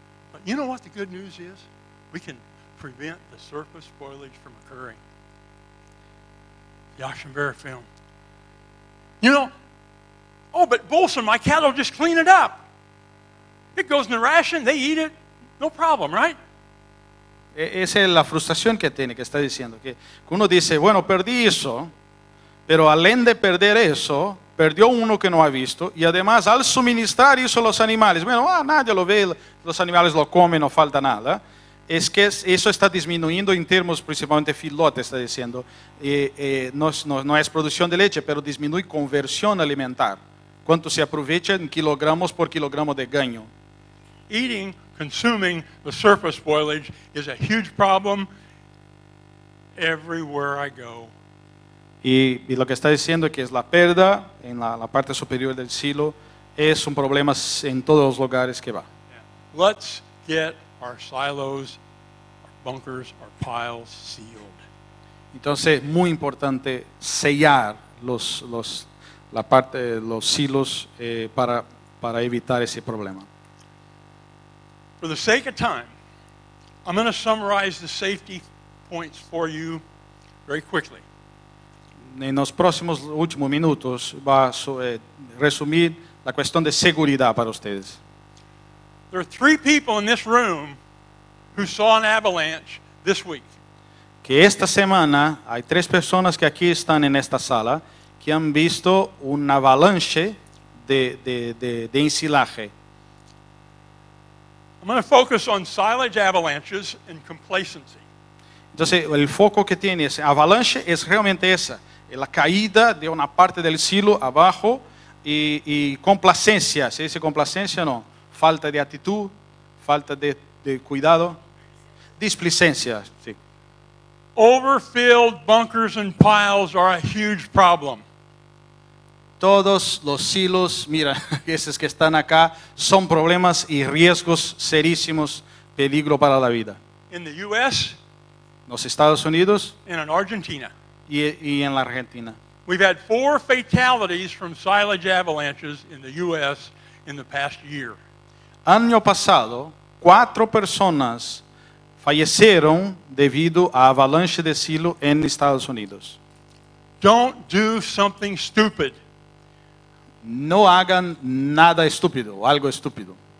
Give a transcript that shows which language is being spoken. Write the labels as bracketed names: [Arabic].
[English] But you know what the good news is? We can prevent the surface spoilage from occurring. The Ocean Bear film. You know, oh, but Bolson, my cattle just clean it up. It goes in the ration, they eat it, no problem, right? [Spanish] Esa es la frustración que tiene, que está diciendo, que uno dice, bueno, perdí eso, pero al de perder eso, perdió uno que no ha visto, y además al suministrar eso a los animales, bueno, nadie lo ve, los animales lo comen, no falta nada. Es que eso está disminuyendo en términos, principalmente filote, está diciendo. No es producción de leche, pero disminuye conversión alimentar. ¿Cuánto se aprovecha en kilogramos por kilogramo de ganho? [English] Eating, consuming the surface spoilage is a huge problem everywhere I go. [Spanish] Y lo que está diciendo es que es la pérdida en la parte superior del silo es un problema en todos los lugares que va. Yeah. [English] Let's get our silos, our bunkers, our piles sealed. [Spanish] Entonces, muy importante sellar los silos para evitar ese problema. [English] For the sake of time, I'm going to summarize the safety points for you very quickly. [Spanish] En los próximos últimos minutos va a resumir la cuestión de seguridad para ustedes. [English] There are three people in this room who saw an avalanche this week. [Spanish] Que esta semana hay tres personas que aquí están en esta sala que han visto una avalanche de ensilaje. [English] I'm I'm going to focus on silage avalanches and complacency. [Spanish] Entonces, el foco que tiene esa avalanche es realmente esa, la caída de una parte del silo abajo y complacencia. ¿Se dice complacencia o no? Falta de actitud, falta de cuidado, displicencia. Sí. [English] Overfilled bunkers and piles are a huge problem. [Spanish] Todos los silos, mira, esos que están acá, son problemas y riesgos serísimos, peligro para la vida. [English] In the U.S., [Spanish] los Estados Unidos, [English] and in Argentina, [Spanish] y en la Argentina. [English] We've had 4 fatalities from silage avalanches in the U.S. in the past year. [Spanish] Año pasado, 4 personas fallecieron debido a avalanche de silo en Estados Unidos. [English] Don't do something stupid. [Spanish] No hagan nada estúpido, algo estúpido.